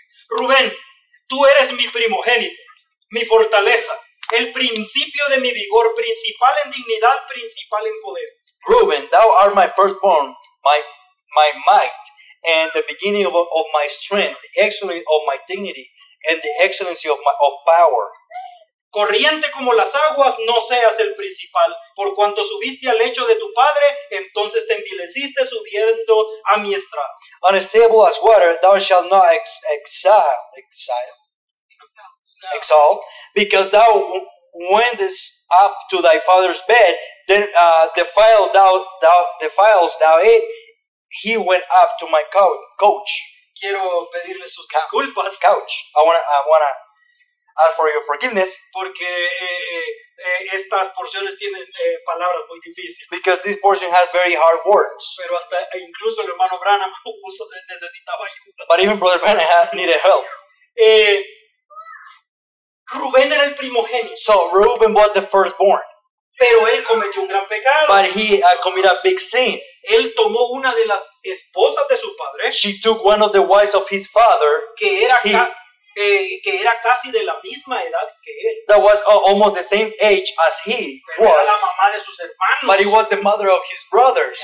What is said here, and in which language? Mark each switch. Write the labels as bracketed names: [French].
[Spanish] Rubén, tú eres mi primogénito, mi fortaleza, el principio de mi vigor, principal en dignidad, principal en poder. [English] Rubén, thou art my firstborn, my might, and the beginning of my strength, the excellence of my dignity, and the excellency of power. [Spanish] Corriente como las aguas, no seas el principal. Por cuanto subiste al lecho de tu padre, entonces te envileciste subiendo a mi estrado. [English] Unstable as water, thou shalt not exalt, because thou wentest up to thy father's bed, then defiles thou it. He went up to my couch. [Spanish] Quiero pedirle sus disculpas. [English] Couch. I wanna ask for your forgiveness. [Spanish] Porque estas porciones tienen palabras muy difíciles. [English] Because this portion has very hard words. [Spanish] Pero hasta incluso el hermano Branham necesitaba ayuda. [English] But even Brother Branham needed help. [Spanish] Rubén era el primogénito. [English] So Reuben was the firstborn. [Spanish] Pero él cometió un gran pecado. [English] But he committed a big sin. [Spanish] Él tomó una de las esposas de su padre. [English] She took one of the wives of his father. [Spanish] Que era casi de la misma edad que él. [English] That was almost the same age as he [Spanish] pero [English] was. [Spanish] Era la mamá de sus hermanos. [English] But he was the mother of his brothers.